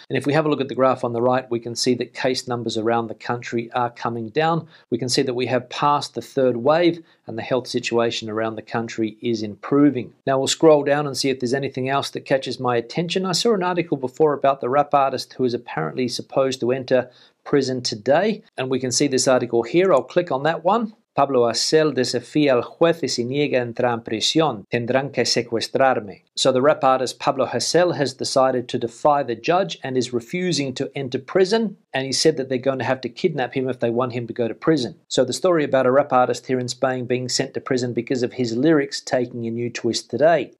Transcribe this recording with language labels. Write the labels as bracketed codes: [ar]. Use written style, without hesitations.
[en] And if we have a look at the graph on the right, we can see that case numbers around the country are coming down. We can see that we have passed the third wave and the health situation around the country is improving. Now we'll scroll down and see if there's anything else that catches my attention. I saw an article before about the rap artist who is apparently supposed to enter prison today. And we can see this article here. I'll click on that one. [es] Pablo Hasél desafía al juez y se niega a entrar en prisión. Tendrán que secuestrarme. [en] So the rap artist Pablo Hasél has decided to defy the judge and is refusing to enter prison. And he said that they're going to have to kidnap him if they want him to go to prison. So the story about a rap artist here in Spain being sent to prison because of his lyrics taking a new twist today.